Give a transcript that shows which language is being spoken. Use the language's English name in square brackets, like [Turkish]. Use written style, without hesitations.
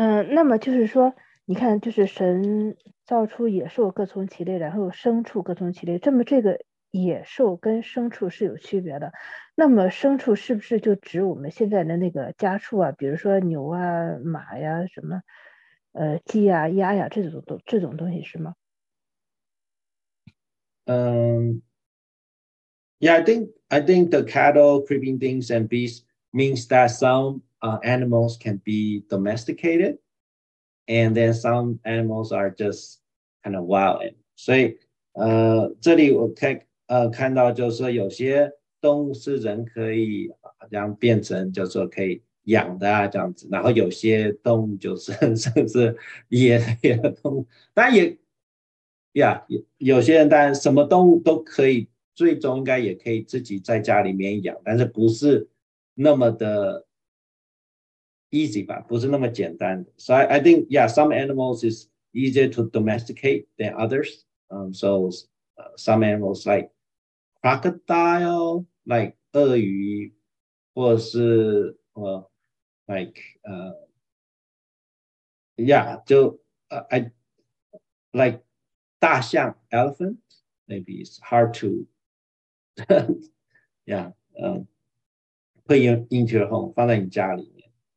[Chinese] 那么就是说，你看，就是神造出野兽各从其类，然后牲畜各从其类，这么这个野兽跟牲畜是有区别的。那么牲畜是不是就指我们现在的那个家畜啊，比如说牛啊、马呀、啊、什么鸡啊、鸭呀、啊、这种东西是吗？ [English] Yeah, I think the cattle, creeping things and beasts means that some animals can be domesticated and then some animals are just kind of wild. [Chinese] 所以这里我可以看到就是说有些动物是人可以让变成就是说可以养的啊，这样子，然后有些动物就是甚至野的动物，但也 yeah, 有些人当然什么动物都可以，最终应该也可以自己在家里面养，但是不是那么的 easy 吧，不是那么简单的。 [English] So I think yeah, some animals is easier to domesticate than others. So some animals like crocodile, like [Chinese] 鳄鱼，或者是 [English] like 大象 elephant, maybe it's hard to put into your home, [Chinese] 放在你家里面。